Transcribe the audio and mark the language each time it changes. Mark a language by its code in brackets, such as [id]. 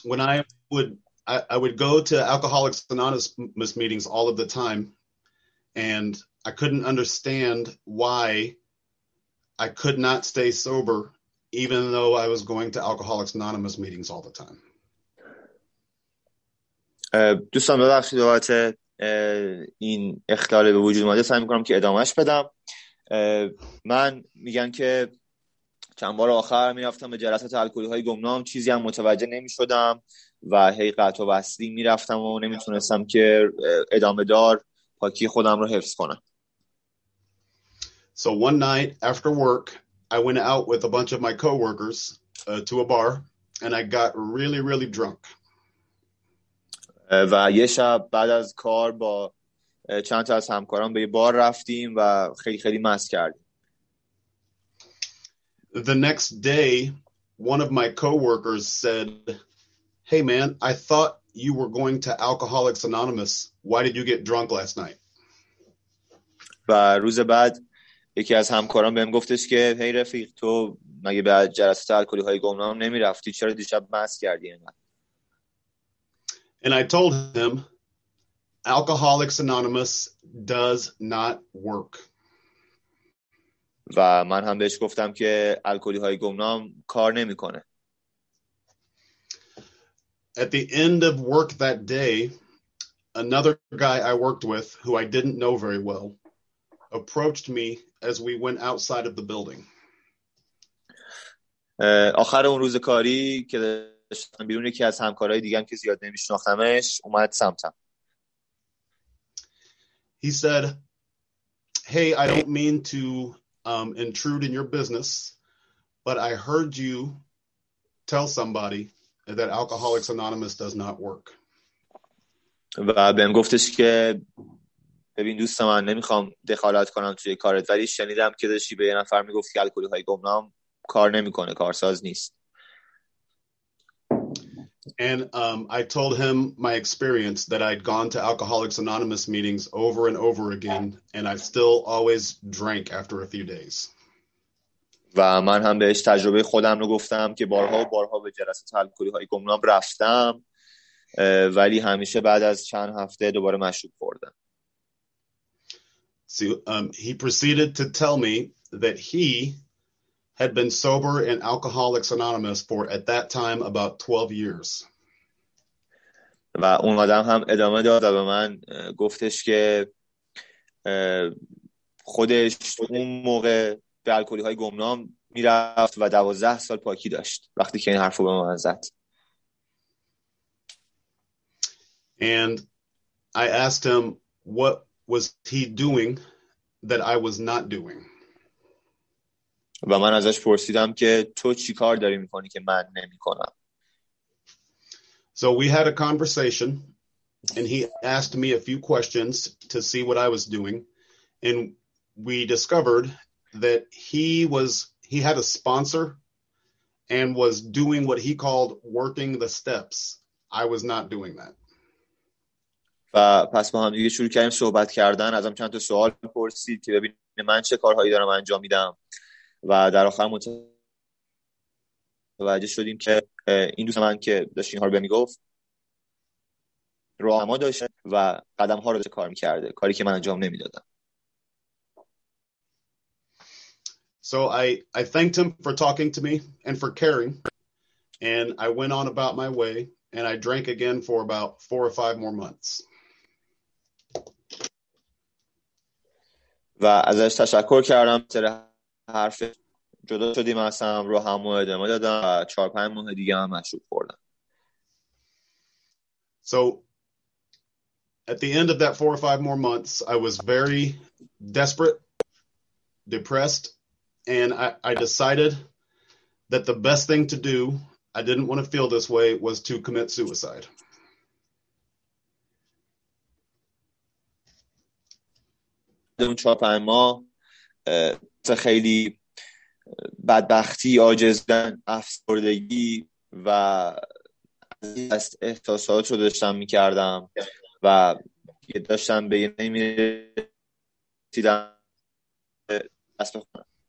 [en] When I would go to Alcoholics Anonymous meetings all of the time, and I couldn't understand why I could not stay sober, even though I was going to Alcoholics Anonymous meetings all the time. [fa] دوستان ببخشید بابت این اختلال به وجود اومده، سعی میکنم که ادامهش بدم. من میگم که چند بار آخر میرفتم به جلسات الکلی های گمنام، چیزی هم متوجه نمیشدم و هی قطع و وصلی میرفتم و نمیتونستم که ادامه دار پاکی خودم رو حفظ کنم. [en] So one night after work, I went out with a bunch of my coworkers to a bar, and I got really, really drunk. [fa] و یه شب بعد از کار با چند تا از همکاران به یه بار رفتیم و خیلی خیلی مست کردیم. [en] The next day, one of my coworkers said, "Hey man, I thought you were going to Alcoholics Anonymous. Why did you get drunk last night?" [fa] و روز بعد یکی از همکاران بهم گفتش که هی رفیق، تو مگه به جلسات الکلی های گمنام نمی رفتی؟ چرا دیشب مست کردی اینقدر؟ [en] And I told him, Alcoholics Anonymous does not work. [fa] و من هم بهش گفتم که الکلی های گمنام کار نمی کنه. [en] At the end of work that day, another guy I worked with, who I didn't know very well, approached me as we went outside of the building. [fa] آخر اون روز کاری که داشتم بیرون، یکی از همکارهای دیگم که زیاد نمیشناختمش اومد سمتم. [en] He said, "Hey, I don't mean to intrude in your business, but I heard you tell somebody that Alcoholics Anonymous does not work." [fa] و بهم گفتش که ببین دوست من، نمیخوام دخالت کنم توی کارت، ولی شنیدم که داشتی به یه نفر میگفت که الکلی های گمنام کار نمیکنه، کارساز نیست. [en] And I told him my experience that I'd gone to Alcoholics Anonymous meetings over and over again, and I still always drank after a few days. [fa] و من هم بهش تجربه خودم رو گفتم که بارها و بارها به جلسات الکلی های گمنام رفتم، ولی همیشه بعد از چند هفته دوباره مشروب خوردم. [en] So he proceeded to tell me that he had been sober in Alcoholics Anonymous for at that time about 12 years. [fa] و اون آدم هم ادامه داد و به من گفتش که خودش اون موقع به الکلی های گمنام میرفت و 12 سال پاکی داشت وقتی که این حرفو به من زد. [en] And I asked him what was he doing that I was not doing. [fa] و من ازش پرسیدم که تو چی کار داری میکنی که من نمیکنم. [en] So we had a conversation and he asked me a few questions to see what I was doing, and we discovered that he had a sponsor and was doing what he called working the steps. I was not doing that. [fa] و پس با هم دیگه شروع کردیم صحبت کردن، ازم چند تا سوال پرسید که ببینم من چه کارهایی دارم انجام میدم، و در آخر متوجه شدیم که این دوست من که داشت اینها رو به میگفت راهنما داشت و قدمها رو کار میکرده، کاری که من انجام نمیدادم. [en] So I thanked him for talking to me and for caring, and I went on about my way, and I drank again for about 4 or 5 more months. [fa] و ازش تشکر کردم سر حرف، جدا شدیم اصلا رو همو ادامه دادم و 4-5 ماه دیگه هم مشروب خوردم. [en] So at the end of that 4 or 5 more months, I was very desperate, depressed, and I decided that the best thing to do, I didn't want to feel this way, was to commit suicide. [fa] مردم چاپ ما خیلی بدبختی، عاجزن، افسردگی و از دست احساسات رو داشتم میکردم و داشتم به یه نمیرسیدم دست بخونم.